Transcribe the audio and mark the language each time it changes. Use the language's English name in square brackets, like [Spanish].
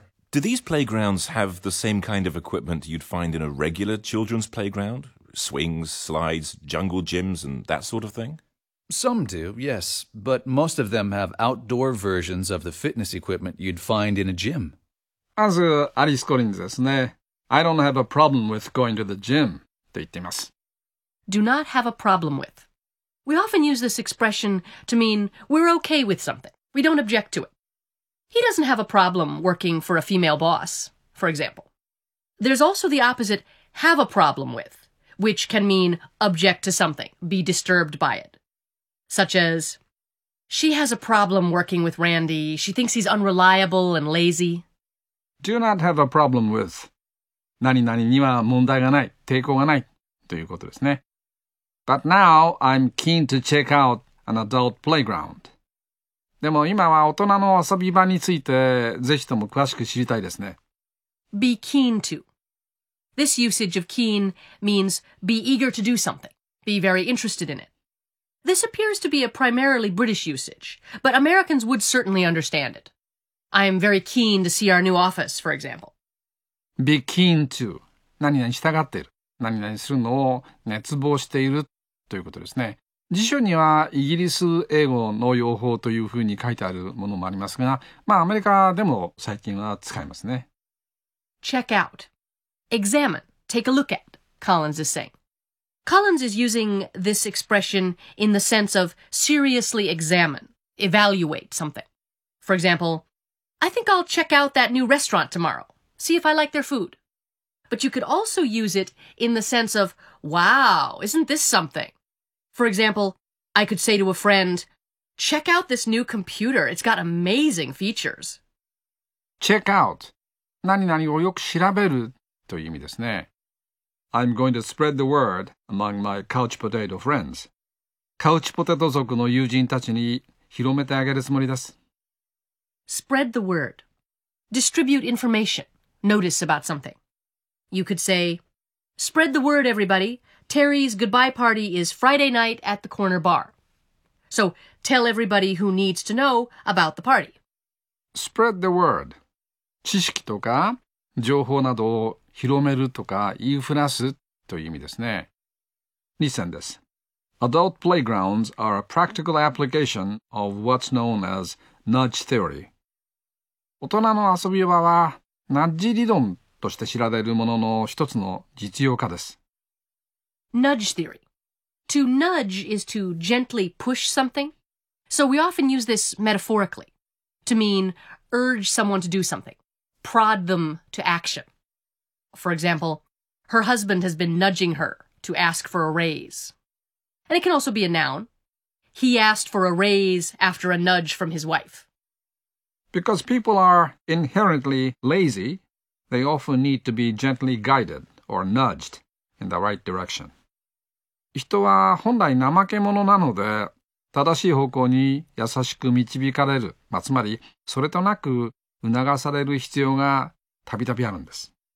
[English] Do these playgrounds have the same kind of equipment you'd find in a regular children's playground? Swings, slides, jungle gyms, and that sort of thing? Some do, yes. But most of them have outdoor versions of the fitness equipment you'd find in a gym. [Japanese] As アリスコリンズですね。 [English] I don't have a problem with going to the gym. [Japanese] と言っています。 [English] Do not have a problem with. We often use this expression to mean we're okay with something. We don't object to it. He doesn't have a problem working for a female boss, for example. There's also the opposite, have a problem with, which can mean object to something, be disturbed by it. Such as, she has a problem working with Randy. She thinks he's unreliable and lazy. Do not have a problem with. [Japanese] 何々には問題がない、抵抗がないということですね。 [English] But now I'm keen to check out an adult playground. [Japanese] でも今は大人の遊び場についてぜひとも詳しく知りたいですね。 [English] Be keen to. This usage of keen means be eager to do something. Be very interested in it. This appears to be a primarily British usage, but Americans would certainly understand it. I am very keen to see our new office, for example. Be keen to. [Japanese] 何々したがっている。何々するのを熱望しているということですね。辞書にはイギリス英語の用法というふうに書いてあるものもありますが、まあアメリカでも最近は使いますね。 [English] Check out. Examine. Take a look at. Collins is saying. Collins is using this expression in the sense of seriously examine. Evaluate something. For example, I think I'll check out that new restaurant tomorrow. See if I like their food. But you could also use it in the sense of, wow, isn't this something? For example, I could say to a friend, check out this new computer. It's got amazing features. Check out. [Japanese] 何々をよく調べるという意味ですね。 [English] I'm going to spread the word among my couch potato friends. [Japanese] カウチポテト族の友人たちに広めてあげるつもりです。 [English] Spread the word. Distribute information. Notice about something. You could say, spread the word, everybody. Terry's goodbye party is Friday night at the corner bar. So tell everybody who needs to know about the party. Spread the word. [Japanese] 知識とか情報などを広めるとか言いふらすという意味ですね。 [English] Listen this. Adult playgrounds are a practical application of what's known as nudge theory. [Japanese] 大人の遊び場はナッジ理論として知られるものの一つの実用化です。 [English] Nudge theory. To nudge is to gently push something. So we often use this metaphorically to mean urge someone to do something, prod them to action. For example, her husband has been nudging her to ask for a raise. And it can also be a noun. He asked for a raise after a nudge from his wife. Because people are inherently lazy, they often need to be gently guided or nudged in the right direction. [Japanese] 人は本来怠け者なので、正しい方向に優しく導かれる、まあ、つまり、それとなく促される必要がたびたびあるんです。